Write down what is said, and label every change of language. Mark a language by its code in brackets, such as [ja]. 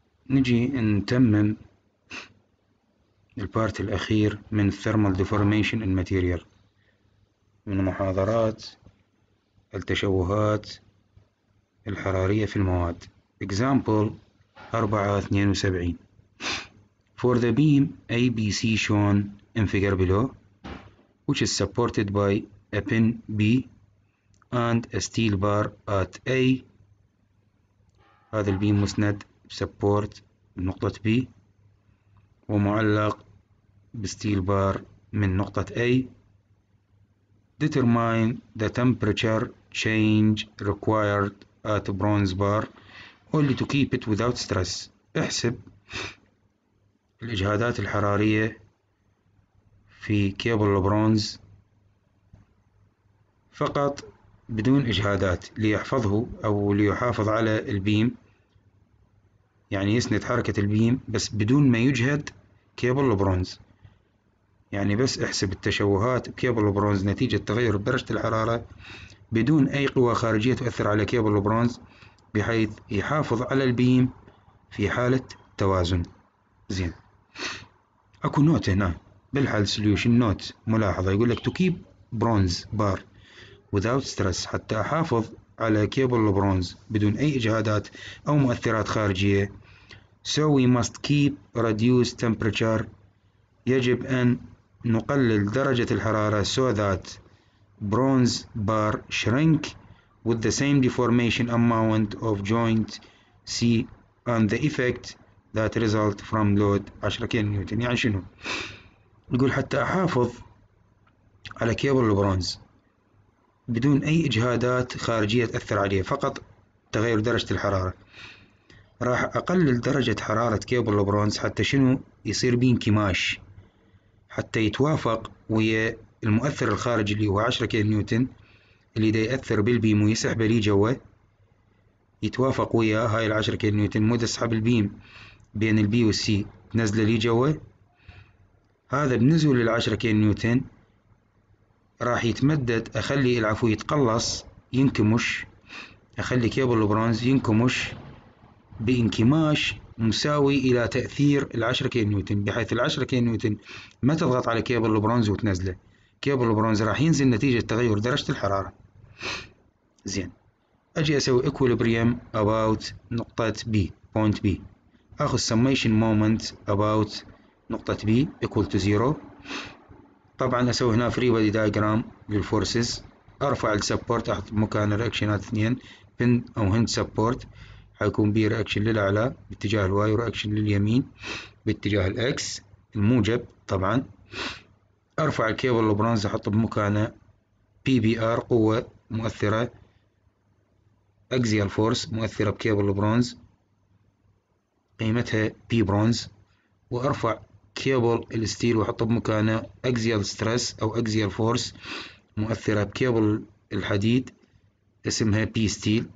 [ar] نجي نتمم البارت الأخير من [en] Thermal Deformation in Material [ar] من محاضرات التشوهات الحرارية في المواد. [en] Example 4.72. For the beam ABC shown in figure below, which is supported by a pin B and a steel bar at A. [ar] هذا البيم مسند بسبورت من نقطة B ومعلق بستيل بار من نقطة A. [en] Determine the temperature change required at bronze bar only to keep it without stress. [ar] احسب الإجهادات الحرارية في كيبل البرونز فقط بدون إجهادات ليحفظه أو ليحافظ على البيم، يعني يسند حركة البيم بس بدون ما يجهد كيبل البرونز. يعني بس احسب التشوهات بكيبل البرونز نتيجة تغير درجة الحرارة بدون أي قوى خارجية تؤثر على كيبل البرونز بحيث يحافظ على البيم في حالة توازن. زين، أكو نوت هنا بالحل سوليوشن، نوت ملاحظة يقول لك [en] to keep bronze bar without stress، [ar] حتى أحافظ على كيبل البرونز بدون أي إجهادات أو مؤثرات خارجية. [en] So we must keep reduced temperature، [ar] يجب أن نقلل درجة الحرارة [en] so that bronze bar shrink with the same deformation amount of joint C and the effect that result from load 10 kilonewton. [ar] يعني شنو؟ يقول حتى أحافظ على كيبل البرونز بدون أي إجهادات خارجية تأثر عليه، فقط تغير درجة الحرارة، راح أقلل درجة حرارة كيبل البرونز حتى شنو؟ يصير بيه انكماش، حتى يتوافق ويا المؤثر الخارجي اللي هو 10 كيلو نيوتن اللي دا يأثر بالبيم ويسحب لي جوه، يتوافق ويا هاي العشرة كيلو نيوتن، مو تسحب البيم بين البي والسي تنزله لي جوه. هذا بنزول العشرة كيلو نيوتن راح يتمدد، أخلي العفو يتقلص ينكمش، أخلي كيبل البرونز ينكمش بانكماش مساوي إلى تأثير العشرة كيلو نيوتن، بحيث العشرة كيلو نيوتن ما تضغط على كيبل البرونز وتنزله، كيبل البرونز راح ينزل نتيجة تغير درجة الحرارة. زين، أجي أسوي equilibrium about نقطة B point B. أخذ summation moment about نقطة B equal to zero. طبعا أسوي هنا [en] free body diagram [ar] للforces، أرفع السبورت أحط مكان الرياكشنات اثنين pin أو [en] hinge support، [ar] حيكون B رياكشن للأعلى باتجاه الواي ورياكشن لليمين باتجاه الإكس الموجب. طبعا أرفع الكيبل البرونز أحط بمكانه PBR قوة مؤثرة، أكسيال فورس مؤثرة بكيبل البرونز قيمتها بي برونز، وأرفع كيبل الستيل وأحطه بمكانه أكسيال ستريس أو أكسيال فورس مؤثرة بكيبل الحديد اسمها بي ستيل.